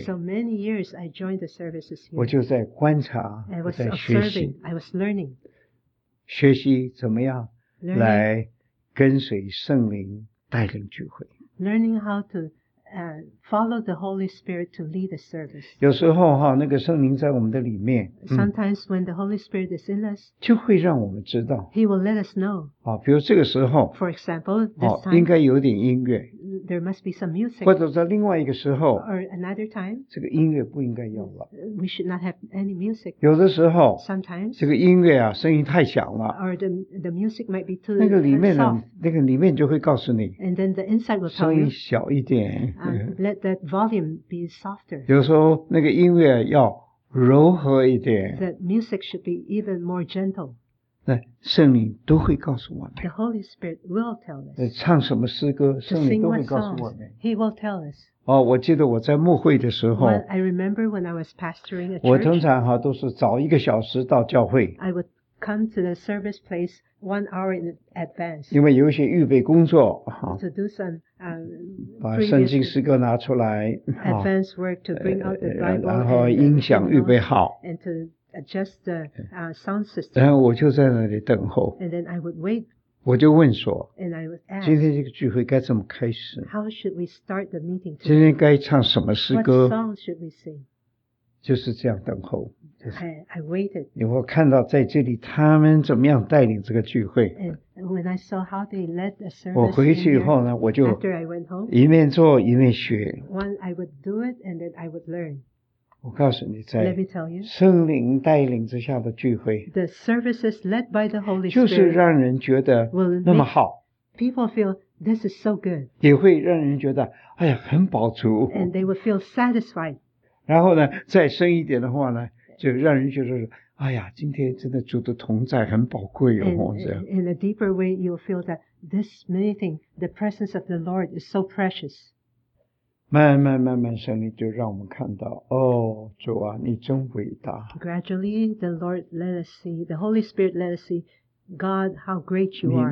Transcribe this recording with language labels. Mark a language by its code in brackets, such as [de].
[en] So many years I joined the services here. [zh] 我就在观察，我在学习。 [en] I was learning. [zh] 学习怎么样来。跟随圣灵带领聚会。 [en] Learning how to follow the Holy Spirit to lead the service. [zh] 有时候哈，那个圣灵在我们的里面。 [en] Sometimes when the Holy Spirit is in us. [zh] 就会让我们知道。 [en] He will let us know. [zh] 啊，比如这个时候。 [en] For example, this time. [zh] 应该有点音乐。 [en] There must be some music. [zh] 或者在另外一个时候。 [en] Or another time. [zh] 这个音乐不应该有了。 [en] We should not have any music. [zh] 有的时候。 [en] Sometimes. [zh] 这个音乐啊，声音太响了。 [en] Or the music might be too soft. [zh] 那个里面呢，那个里面就会告诉你。 [en] And then the inside will tell you. [zh] 声音小一点。 [en] Let that volume be softer. [zh] 有时候那个音乐要柔和一点。 [en] That music should be even more gentle. [zh] 那圣灵都会告诉我们。 [en] The Holy Spirit will tell us. [zh] 唱什么诗歌，圣灵都会告诉我们。 [en] He will tell us. [zh] 哦，我记得我在牧会的时候。 [en] I remember when I was pastoring a church. [zh] 我通常哈都是早一个小时到教会。 [en] I would come to the service place 1 hour in advance. [zh] 因为有一些预备工作。 [en] To do some. [zh] 把圣经诗歌拿出来 [en] advance work to bring out the Bible [zh] 然后音响预备好 [en] and to adjust the sound system [zh] 然后我就在那里等候 [en] and then I would wait [zh] 我就问说 [en] and I would ask [zh] 今天这个聚会该怎么开始 [en] how should we start the meeting today? [zh] 今天该唱什么诗歌 [en] what song should we sing [zh] 就是这样等候 [en] I waited. [zh] 你会看到在这里他们怎么样带领这个聚会。 [en] And when I saw how they led the service, [zh] 我回去以后呢，我就 [en] after I went home, [zh] 一面做一面学。 [en] One, I would do it, and then I would learn. [zh] 我告诉你，在 [en] let me tell you, [zh] 圣灵带领之下的聚会 [en] ，the services led by the Holy Spirit, [zh] 就是让人觉得那么好。 [en] People feel this is so good. [zh] 也会让人觉得哎呀很饱足。 [en] And they would feel satisfied. [zh] 然后呢，再深一点的话呢？就让人觉得说，哎呀，今天真的主的同在很宝贵哦，这样。 [en] In a deeper way, you'll feel that this meeting, the presence of the Lord is so precious. [zh] 慢慢慢慢，圣灵就让我们看到，哦，主啊，你真伟大。 [en] Gradually, the Lord let us see, the Holy Spirit let us see, God, how great you are.